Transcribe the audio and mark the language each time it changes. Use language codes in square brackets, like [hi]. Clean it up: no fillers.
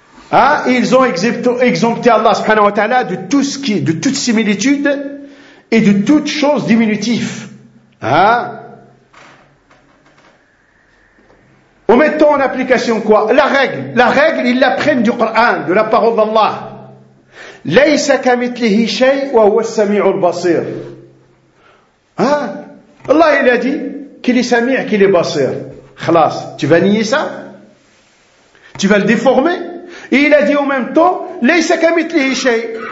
[fr] Ah, ils ont exempté Allah, subhanahu wa ta'ala, de tout ce qui, de toute similitude, et de toute chose diminutive. Ah. En mettant en application quoi? La règle, ils l'apprennent du Coran, de la parole d'Allah. [ar] ليس كمثله شيء وهو السميع البصير. [fr] Ah, Allah il a dit qu'il est sami, qu'il est basir. خلاص, tu vas nier ça? Tu vas le déformer? Et il a dit en même temps, [ar] ليس كمثله شيء.